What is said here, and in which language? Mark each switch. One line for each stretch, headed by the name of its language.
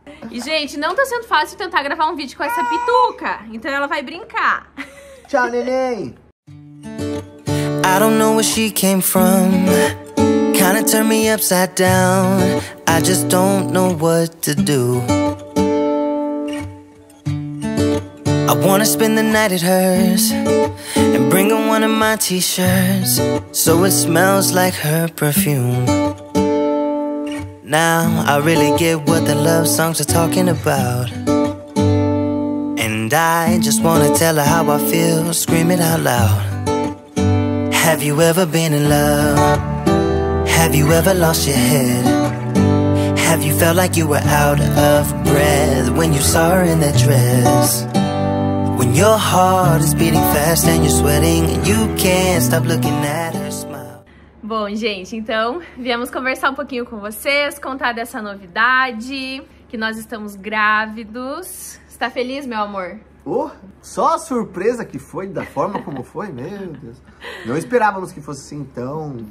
Portuguese: E, gente, não tá sendo fácil tentar gravar um vídeo com essa pituca. Então ela vai brincar. Tchau, neném.
English: I don't know where she came from. Kinda turned me upside down. I just don't know what to do. I wanna spend the night at hers and bring her one of my t-shirts so it smells like her perfume. Now I really get what the love songs are talking about. And I just wanna tell her how I feel, scream it out loud. Have you ever been in love? Have you ever lost your head? Have you felt like you were out of breath when you saw her in that dress? When your heart is beating fast and you're sweating and you can't stop looking at her smile.
Portuguese: Bom, gente, então viemos conversar um pouquinho com vocês, contar dessa novidade, que nós estamos grávidos. Você tá feliz, meu amor? Oh, só a surpresa que foi, da forma como foi, meu Deus. Não esperávamos que fosse assim tão...